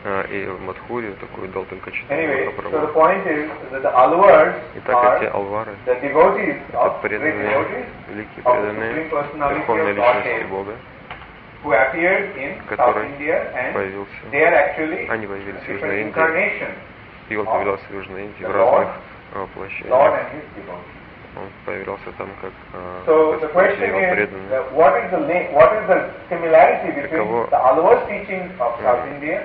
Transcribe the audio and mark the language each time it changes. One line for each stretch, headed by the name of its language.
Russian: И в Мадхуре такую дал только Чайтанью. Итак, эти Алвары это преданные, великие преданные Верховной Личности Бога,
English: who appeared in South India, and they are actually in different incarnations.
Russian: Фил появлялся в Южной Индии в разных воплощениях. Он появлялся там как Господь и его преданный.